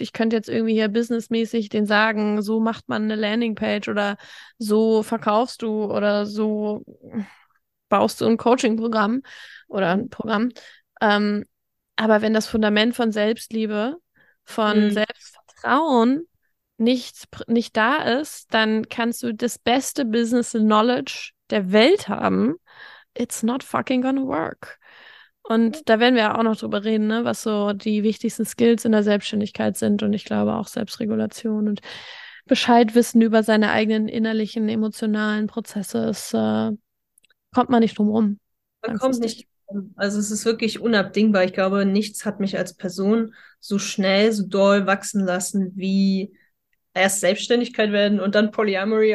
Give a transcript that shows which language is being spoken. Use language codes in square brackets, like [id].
[de] Ich könnte jetzt irgendwie hier businessmäßig denen sagen, so macht man eine Landingpage oder so verkaufst du oder so baust du ein Coaching-Programm oder ein Programm. Aber wenn das Fundament von Selbstliebe, von Selbstvertrauen nicht da ist, dann kannst du das beste Business Knowledge der Welt haben. [en] It's not fucking gonna work. [de] Und da werden wir auch noch drüber reden, ne, was so die wichtigsten Skills in der Selbstständigkeit sind. Und ich glaube auch Selbstregulation und Bescheid wissen über seine eigenen innerlichen, emotionalen Prozesse. Es kommt man nicht drum rum, Man kommt langfristig. nicht. Also es ist wirklich unabdingbar. Ich glaube, nichts hat mich als Person so schnell, so doll wachsen lassen wie erst Selbstständigkeit werden und dann Polyamory.